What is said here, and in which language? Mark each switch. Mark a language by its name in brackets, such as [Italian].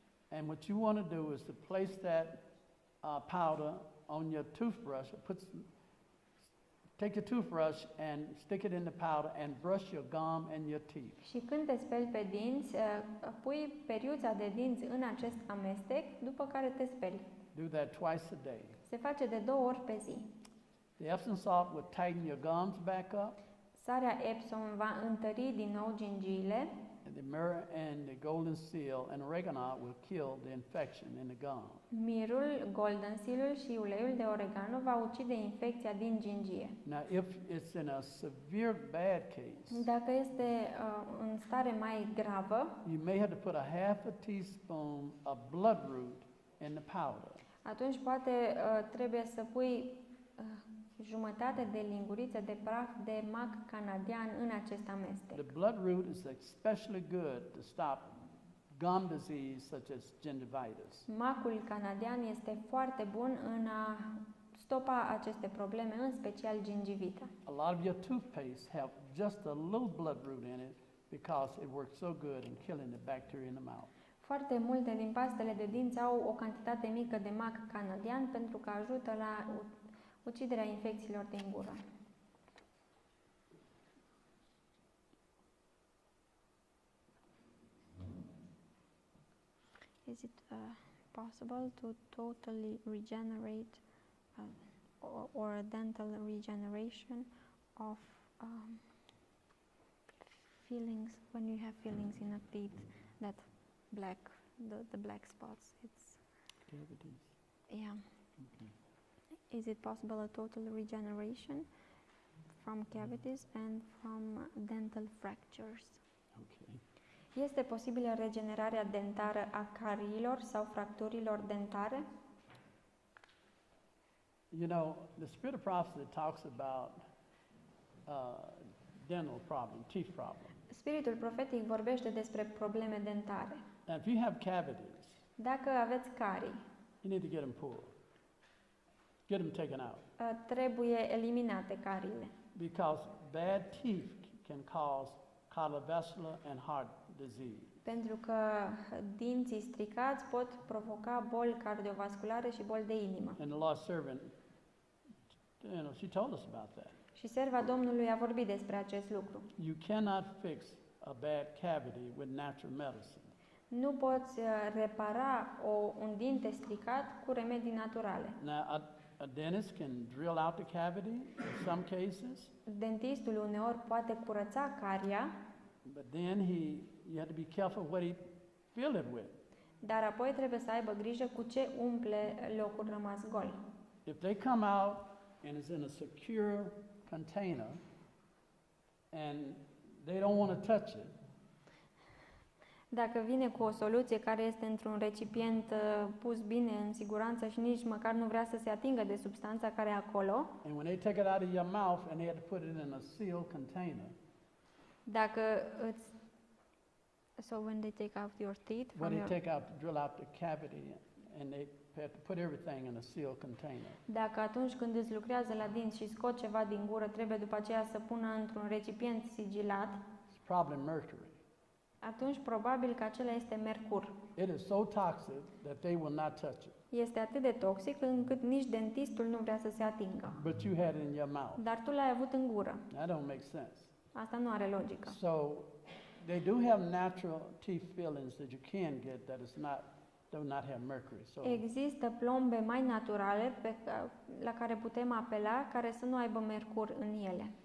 [English] And what you want to do is to place that powder on your toothbrush. Take your toothbrush and stick it in the powder and brush your gum and your teeth. [Romanian] Și când te speli pe dinți, pui periuța de dinți în acest amestec, după care te speli. [English] Do that twice a day. [Romanian] Se face de două ori pe zi. [English] The Epsom salt will tighten your gums back up. [Romanian] Sarea Epsom va întări din nou gingiile. [English] And the myrrh and the golden seal and oregano will kill the infection in the gum. [Romanian] Mirul, golden seal-ul și uleiul de oregano va ucide infecția din gingie. [English] Now if it's in a severe bad case. [Romanian] Dacă este în stare mai gravă. [English] You may have to put a half a teaspoon of bloodroot in the powder. [Romanian] Atunci poate trebuie să pui jumătate de linguriță de praf de mac canadian în acest amestec. [English] The bloodroot is especially good to stop gum disease such as gingivitis. [Romanian] Macul canadian este foarte bun în a stopa aceste probleme, în special gingivita. [English] A lot of your toothpaste have just a little bloodroot in it because it works so good in killing the bacteria in the mouth. [Romanian] Foarte multe din pastele de dinți au o cantitate mică de mac canadian pentru că ajută la uciderea infecțiilor din gură. [English] Is it possible to totally regenerate or a dental regeneration of fillings when you have fillings in a teeth that black the black spots? It's cavities. Yeah. Okay. Is it possible a total regeneration from cavities and from dental fractures? Okay. [Romanian] Este posibilă regenerarea dentară a cariilor sau fracturilor dentare? [English] You know, the spirit of prophecy talks about dental problem, teeth problem. [Romanian] Spiritul profetic vorbește despre probleme dentare. [English] And if you have cavities, [Romanian] dacă aveți carii, [English] you need to get them pulled. Get them taken out. [Romanian] Trebuie eliminate cariile. [English] Because bad teeth can cause cardiovascular and heart disease. [Romanian] Pentru că dinții stricați pot provoca boli cardiovasculare și boli de inimă. [English] And the Lord's servant, you know, she told us about that. [Romanian] Și serva Domnului a vorbit despre acest lucru. [English] You cannot fix a bad cavity with natural medicine. [Romanian] Nu poți repara un dinte stricat cu remedii naturale. [English] A dentist can drill out the cavity in some cases. [Romanian] Dentistul uneori poate curăța caria. [English] But then you have to be careful what he filled it with. [Romanian] Dar apoi trebuie să aibă grijă cu ce umple locul rămas gol. [English] If they come out and it's in a secure container and they don't want to touch it. [Romanian] Dacă vine cu o soluție care este într-un recipient pus bine în siguranță și nici măcar nu vrea să se atingă de substanța care e acolo. [English] And when they take it out of your mouth and they had to put it in a sealed container. [Romanian] Dacă îți [English] so when they take out your teeth when your they take out drill out the cavity and they have to put everything in a sealed container. [Romanian] Dacă atunci când îți lucrează la dinți și scot ceva din gură, trebuie după aceea să pună într-un recipient sigilat. [English] It's probably mercury. [Romanian] Atunci probabil că acela este mercur. [English] It is so toxic that they will not touch it. [Romanian] Este atât de toxic încât nici dentistul nu vrea să se atingă. [English] But you had it in your mouth. [Romanian] Dar tu l-ai avut în gură. [English] That don't make sense. [Romanian] Asta nu are logică. [English] So they do have natural teeth fillings that you can get that is not do not have mercury. So [Romanian] există plombe mai naturale pe la care putem apela care să nu aibă mercur în ele.